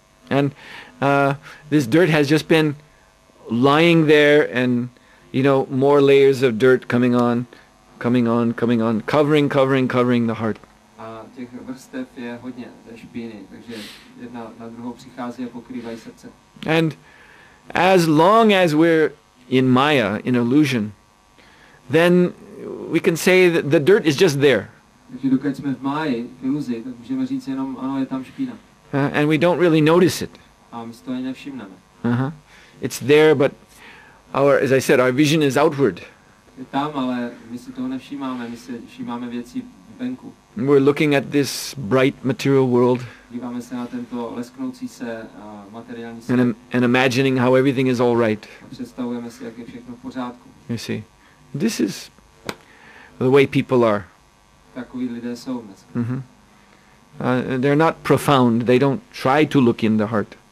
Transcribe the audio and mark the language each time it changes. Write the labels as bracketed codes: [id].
[en] And this dirt has just been lying there, and you know, more layers of dirt coming on, covering the heart. [cs] A těch vrstev je hodně, té špíny, takže jedna na druhou přichází a pokrývají srdce. [en] And as long as we're in Maya, in illusion, then we can say that the dirt is just there. [cs] Takže dokud jsme v Maji, v iluzi, tak můžeme říct jenom, ano, je tam špína. [en] And we don't really notice it. [cs] A my si to nevšimneme. [en] It's there, but as I said, our vision is outward. [cs] Je tam, ale my si toho nevšímáme, my si všímáme věci venku. [en] We're looking at this bright material world. [cs] Díváme se na tento lesknoucí se materiální svět. [en] And imagining how everything is all right. [cs] A představujeme si, jak je všechno v pořádku. [en] You see, this is the way people are. [cs] Takový lidé jsou dnes. [en] They're not profound. They don't try to look in the heart.